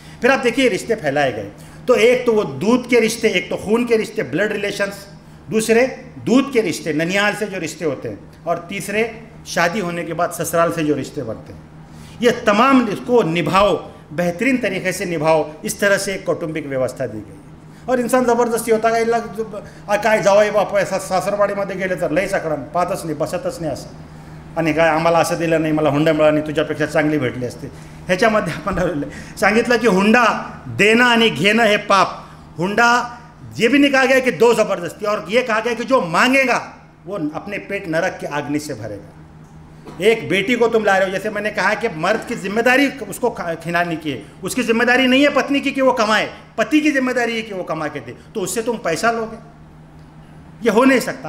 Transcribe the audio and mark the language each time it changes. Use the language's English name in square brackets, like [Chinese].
[Hindi] फिर आप देखिए रिश्ते फैलाए गए, तो एक तो वो दूध के रिश्ते, एक तो खून के रिश्ते ब्लड रिलेशंस, दूसरे दूध के रिश्ते ननिहाल से जो रिश्ते होते हैं, और तीसरे शादी होने के बाद ससुराल से जो रिश्ते बनते हैं। ये तमाम इसको निभाओ, बेहतरीन तरीके से निभाओ, इस तरह से एक कौटुंबिक व्यवस्था दी गई। और इंसान जबरदस्ती होता है [Marathi] काय जावाई बापू ऐसा सासरवाड़ीमध्ये गेले तर लई सकळ पाहतच नाही बसतच नाही असं, आणि काय आम्हाला असं दिलं नाही, मला हुंडा मिळाला नाही, तुझ्यापेक्षा चांगली भेटली असते, ह्याच्यामध्ये आपण सांगितलं की हुंडा देणं आणि घेणं हे पाप, हुंडा [Hindi] ये भी नहीं कहा गया कि दो जबरदस्ती, और ये कहा गया कि जो मांगेगा वो अपने पेट नरक की अग्नि से भरेगा। एक बेटी को तुम ला रहे हो, जैसे मैंने कहा कि मर्द की जिम्मेदारी उसको खिलानी की है, उसकी जिम्मेदारी नहीं है पत्नी की कि वो कमाए, पति की जिम्मेदारी है कि वो कमा के दे, तो उससे तुम पैसा लोगे? ये हो नहीं सकता।